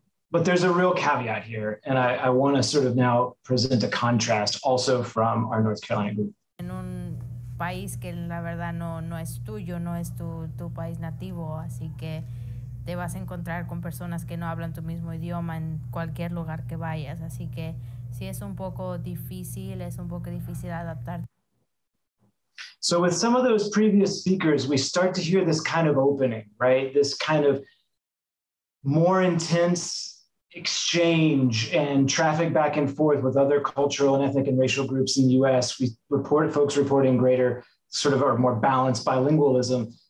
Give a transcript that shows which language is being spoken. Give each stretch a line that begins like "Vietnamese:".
English: But there's a real caveat here, and I want to sort of now present a contrast also from our North Carolina group.
Spanish: En un país que la verdad no es tuyo, no es tu país nativo, así que te vas a encontrar con personas que no hablan tu mismo idioma en cualquier lugar que vayas, así que sí es un poco difícil, es un poco difícil adaptarte.
English: So with some of those previous speakers, we start to hear this kind of opening, right? This kind of more intense exchange and traffic back and forth with other cultural and ethnic and racial groups in the US. We report folks reporting greater sort of or more balanced bilingualism.